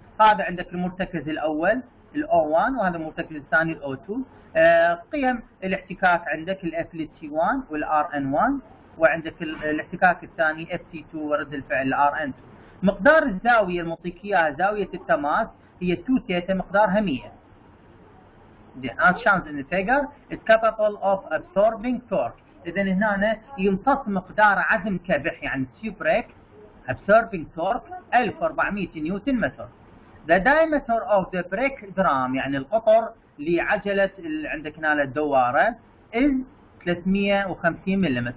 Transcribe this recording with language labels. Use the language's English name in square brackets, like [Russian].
[Arabic] هذا عندك المرتكز الاول الـ O1 وهذا المرتكز الثاني الـ O2. قيم الاحتكاك عندك الـ F للـT1 والـ Rn1، وعندك الاحتكاك الثاني FT2 ورد الفعل Rn2. مقدار الزاوية المطيكية زاوية التماس هي 2 ثيتا مقدارها 100. [English] As shown in the figure is capable of absorbing torque. [Arabic] إذن هنا يمتص مقدار عزم كبح يعني تيو بريك [English] absorbing torque [Arabic] 1400 نيوتن متر. [English] The diameter of the brake drum [Arabic] يعني القطر لعجلة عندك هنا الدوارة [English] is 350 ملم.